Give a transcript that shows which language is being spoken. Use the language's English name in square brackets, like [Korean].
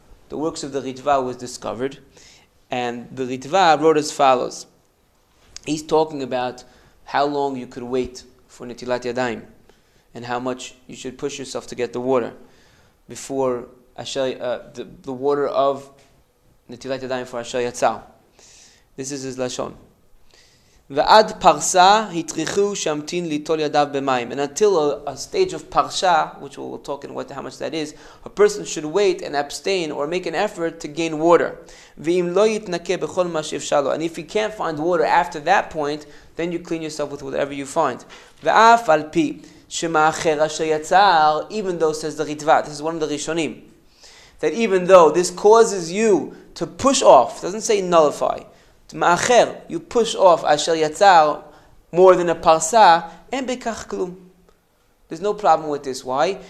[English] The works of the ritva was discovered. And the ritva wrote as follows. He's talking about how long you could wait for netilat yadayim and how much you should push yourself to get the water before the water of netilat yadayim for asher yatzah. This is his lashon. [Hebrew] ועד פרסה התריכו שמתין ליטול ידיו במים. [English] And until a stage of parsha, which we'll talk in what, how much that is, a person should wait and abstain or make an effort to gain water. [Hebrew] ואם לא יתנקה בכל מה שאפשר לו. [English] And if you can't find water after that point, then you clean yourself with whatever you find. [Hebrew] ואף על פי שמאחר אשר יצר, [English] even though says the ריטבה, this is one of the ראשונים, that even though this causes you to push off, doesn't say nullify, מאחר, you push off אשר יצר more than a parsa, [Hebrew] אין בכך כלום. [English] There's no problem with this. Why?